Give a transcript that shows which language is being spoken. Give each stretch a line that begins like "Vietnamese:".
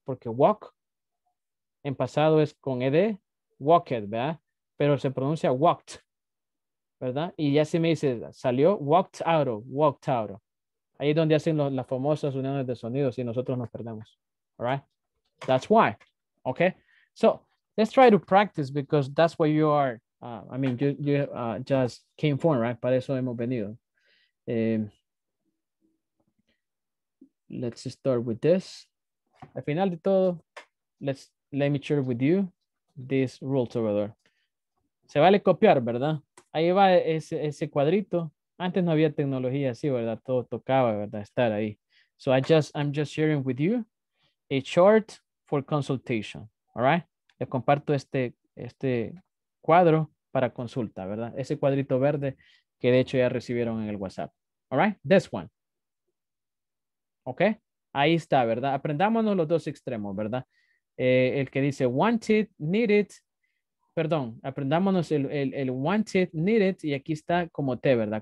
Spanish: Porque walk en pasado es con ED, walked, ¿verdad? Pero se pronuncia walked. ¿Verdad? Y ya se me dice, salió, walked out of. Ahí es donde hacen las famosas uniones de sonidos y nosotros nos perdemos.
English: All right? That's why. Okay? So, let's try to practice because that's what you are, you just came from, right?
Spanish: Para eso hemos venido.
English: Let's start with this.
Spanish: Al final de todo,
English: let me share with you this rule to order.
Spanish: Se vale copiar, ¿verdad? Ahí va ese cuadrito antes no había tecnología así, ¿verdad? Todo tocaba, ¿verdad? Estar ahí.
English: So I'm just sharing with you a chart for consultation, all right?
Spanish: Le comparto este cuadro para consulta, ¿verdad? Ese cuadrito verde que de hecho ya recibieron en el WhatsApp, all right?
English: This one.
Spanish: Okay, ahí está, ¿verdad? Aprendámonos los dos extremos, ¿verdad? El que dice wanted, needed, perdón, aprendámonos el wanted, needed, y aquí está como T, ¿verdad?